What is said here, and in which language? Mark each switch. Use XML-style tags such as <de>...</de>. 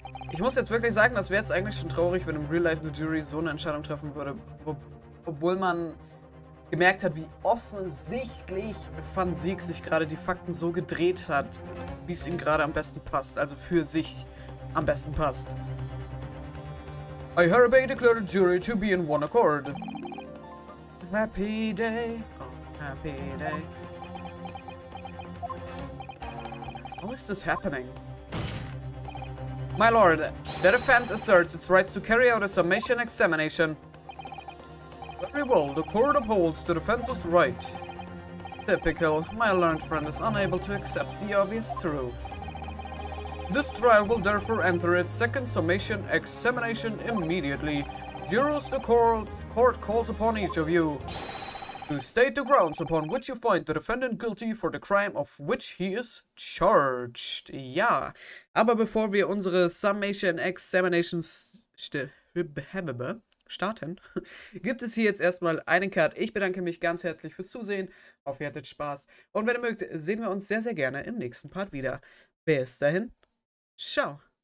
<de>Ich muss jetzt wirklich sagen, das wäre jetzt eigentlich schon traurig, wenn im Real Life eine Jury so eine Entscheidung treffen würde, obwohl man gemerkt hat, wie offensichtlich Van Sieg sich gerade die Fakten so gedreht hat, wie es ihm gerade am besten passt, also für sich am besten passt.</de> <en>I hereby declare the jury to be in one accord. Happy day, oh, happy day. How is this happening? My lord, the defense asserts its rights to carry out a summation examination. Very well, the court upholds the defense's right. Typical, my learned friend is unable to accept the obvious truth. This trial will therefore enter its second summation examination immediately. Juros, the court calls upon each of you to state the grounds upon which you find the defendant guilty for the crime of which he is charged.</en> <de>Ja, aber bevor wir unsere Summation Examination starten, gibt es hier jetzt erstmal einen Cut. Ich bedanke mich ganz herzlich fürs Zusehen. Hoffe, ihr hattet Spaß. Und wenn ihr mögt, sehen wir uns sehr, sehr gerne im nächsten Part wieder. Bis dahin, ciao.</de>